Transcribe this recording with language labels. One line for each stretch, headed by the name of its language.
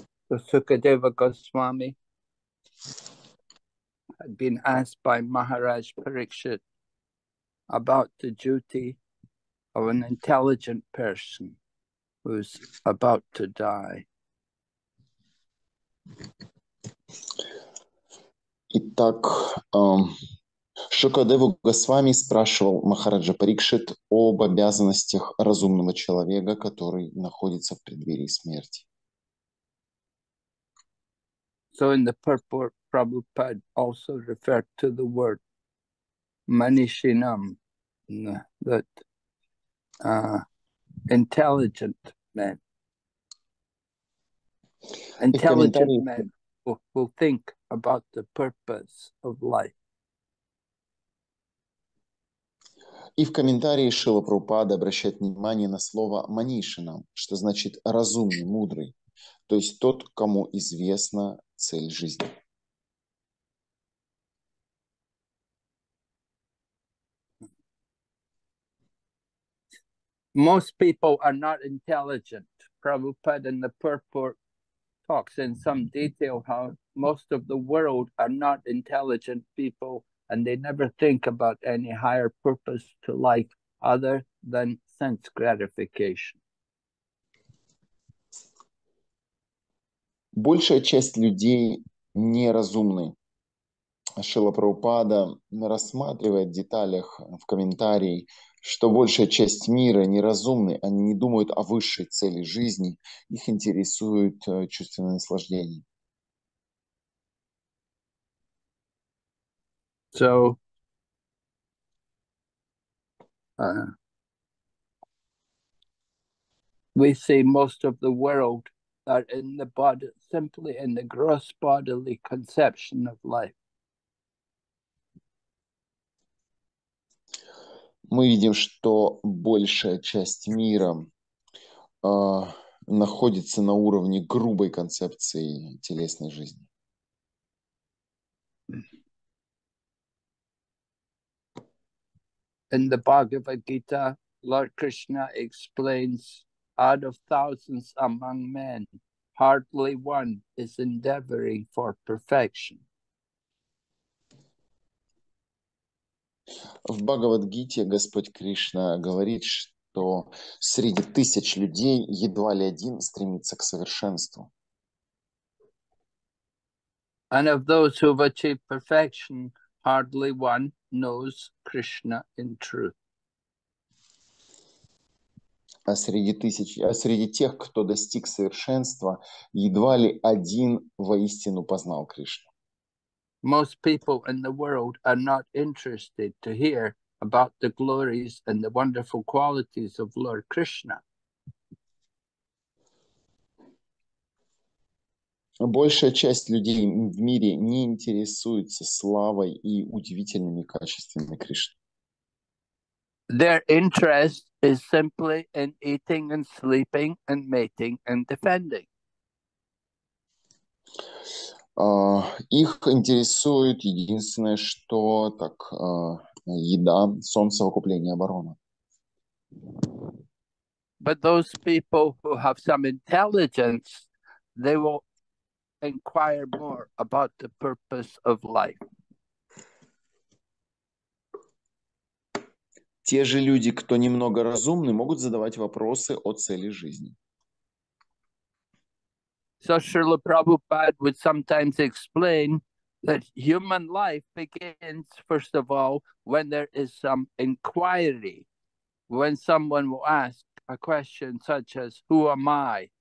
English: So Sukadeva Goswami had been asked by Maharaj Parikshit about the duty of an intelligent person who's about to die.
Russian: Итак, Шукадеву Госвами спрашивал Махараджа Парикшит об обязанностях разумного человека, который находится в преддверии смерти.
English: So in the purport, Prabhupada also referred to the word Manishinam, that intelligent men. Intelligent men will think about the purpose of life.
Russian: И в комментарии Шрила Прабхупада обращает внимание на слово «манишинам», что значит «разумный, мудрый», то есть тот, кому известна цель жизни.
English: Most people are not intelligent. Prabhupada in the purport talks in some detail how most of the world are not intelligent people. And they never think about any higher purpose to life other than sense gratification.
Russian: Большая часть людей неразумны. Шрила Прабхупада рассматривает в деталях в комментарии, что большая часть мира неразумны, они не думают о высшей цели жизни, их интересуют чувственные наслаждения.
English: So, we see most of the world are in the body, simply in the gross bodily conception of life.
Russian: Мы видим, что большая часть мира находится на уровне грубой концепции телесной жизни.
English: In the Bhagavad Gita, Lord Krishna explains, out of thousands among men, hardly one is endeavoring for perfection.
Russian: В Бхагавад-гите Господь Кришна говорит, что среди тысяч людей едва ли один стремится к совершенству.
English: And of those who have achieved perfection, hardly one knows Krishna in truth.
Russian: А среди тех, кто достиг совершенства, едва ли один воистину познал Кришну.
English: Most people in the world are not interested to hear about the glories and the wonderful qualities of Lord Krishna.
Russian: Большая часть людей в мире не интересуется славой и удивительными качествами Кришны.
English: Their interest is simply in eating and sleeping and mating and defending.
Russian: Их интересует единственное, что так еда, сон, совокупление, оборона.
English: But those people who have some intelligence, they will inquire more about the purpose of life.
Russian: Те же люди, кто немного разумны, могут задавать вопросы о цели жизни.
English: So Srila Prabhupada would sometimes explain that human life begins, first of all, when there is some inquiry, when someone will ask a question such as, who am I?